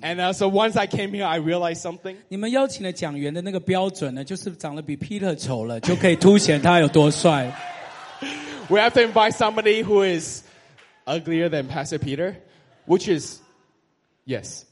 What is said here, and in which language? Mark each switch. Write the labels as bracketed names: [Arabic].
[English] And so once I came here, I realized something. [Chinese] 你们邀请的讲员的那个标准呢，就是长得比Peter丑了，就可以凸显他有多帅。 [English] We have to invite somebody who is uglier than Pastor Peter, which is, yes.